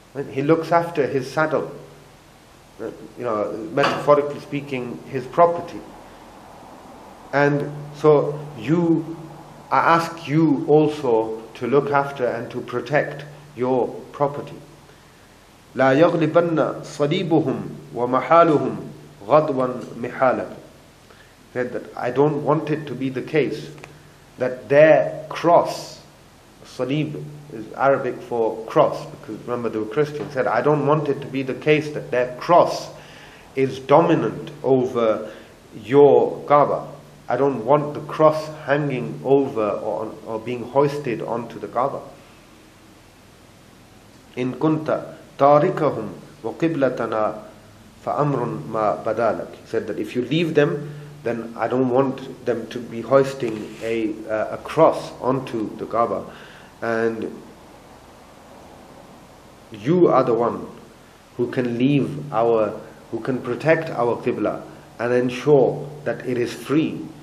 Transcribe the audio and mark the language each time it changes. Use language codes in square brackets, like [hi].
[en] He looks after his saddle. You know, metaphorically speaking, his property. And so you, I ask you also to look after and to protect your property. [ar] لا يغلبن صليبهم ومحالهم غضبا محالك. [en] Said that I don't want it to be the case that their cross, salib is Arabic for cross, because remember they were Christians, said I don't want it to be the case that their cross is dominant over your Kaaba. I don't want the cross hanging over or being hoisted onto the Kaaba. [ar] إن كنت تاركهم وقبلتنا فأمر ما بدالك. [en] He said that if you leave them, then I don't want them to be hoisting a cross onto the Kaaba, and you are the one who can leave our, who can protect our Qibla and ensure that it is free.